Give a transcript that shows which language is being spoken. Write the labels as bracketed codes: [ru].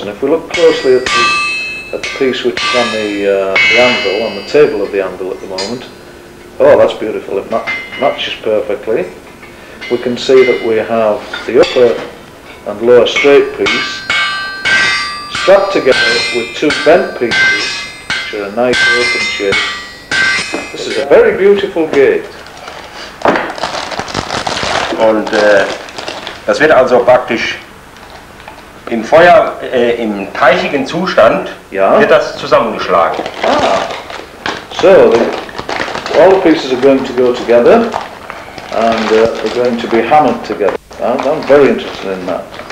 [en] And if we look closely at the piece which is on the anvil, on the table of the anvil at the moment, oh, that's beautiful, it matches perfectly. We can see that we have the upper and lower straight piece strapped together with two bent pieces, which are a nice open shape. This is a very beautiful gate. [de] Und das wird also praktisch im Feuer, im teichigen Zustand, ja, wird das zusammengeschlagen. Ah. [en] So, all the pieces are going to go together and they're going to be hammered together. And I'm very interested in that.